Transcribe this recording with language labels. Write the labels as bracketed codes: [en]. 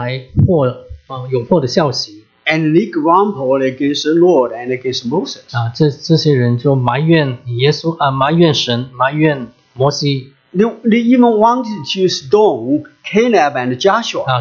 [zh] 就是十个探子到了神应许的地方，他们就看了迦南地，回来了，带来祸，有祸的消息。 [en] And they grumbled against the Lord and against Moses. [zh] 这些人就埋怨耶稣，埋怨神，埋怨摩西。 [en] They even wanted to stone Caleb and Joshua.